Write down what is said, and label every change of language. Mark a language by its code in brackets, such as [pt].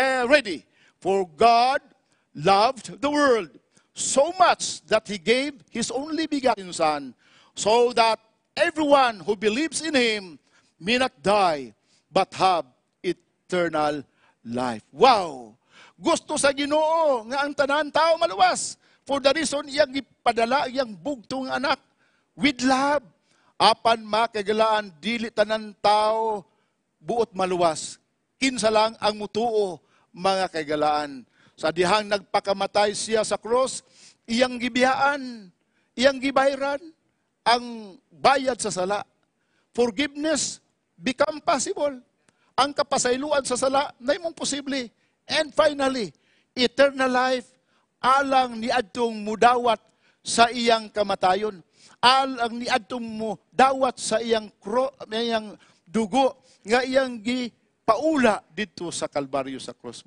[en] Ready, for God loved the world so much that He gave His only begotten Son so that everyone who believes in Him may not die but have eternal life. Wow! [ceb] Gusto sa Ginoo nga ang tanan tao maluwas. [en] For the reason, [ceb] iyang ipadala, iyang bugtong anak, [en] with love. [ceb] Apan makagalaan, dili tanan tao, buot maluwas. Kinsa lang ang mutuo, mga kagalaan. Sa dihang nagpakamatay siya sa cross, iyang gibiyaan, iyang gibayran, ang bayad sa sala. [en] Forgiveness become possible. [ceb] Ang kapasayluan sa sala, na imong posible. [en] And finally, eternal life, [ceb] alang niadtong mudawat sa iyang kamatayon, alang niadtong mudawat sa iyang dugo nga iyang gipaula dito sa Kalbaryo sa cross.